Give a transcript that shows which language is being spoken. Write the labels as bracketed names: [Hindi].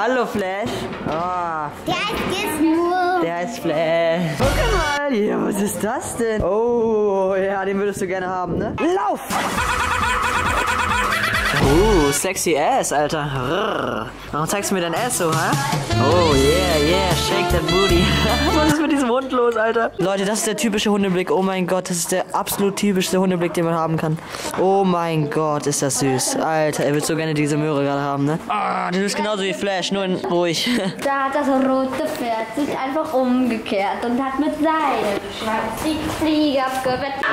[German] Hallo, Flash. Oh. Der ist Gizmo. Der ist Flash. Guck mal. Ja, was ist das denn? Oh, ja, den würdest du gerne haben, ne? Lauf! Sexy Ass, Alter. Rrr. Warum zeigst du mir dein Ass so, hä? [English] Oh, yeah, yeah, shake that booty. [German] Was ist mit diesem Hund los, Alter? Leute, das ist der typische Hundeblick. Oh mein Gott, das ist der absolut typischste Hundeblick, den man haben kann. Oh mein Gott, ist das süß. Alter, er würde so gerne diese Möhre gerade haben, ne? Ah, das ist genauso wie Flash, nur in ruhig. Da hat das rote Pferd sich einfach umgekehrt und hat mit seinem Fliege abgewettet.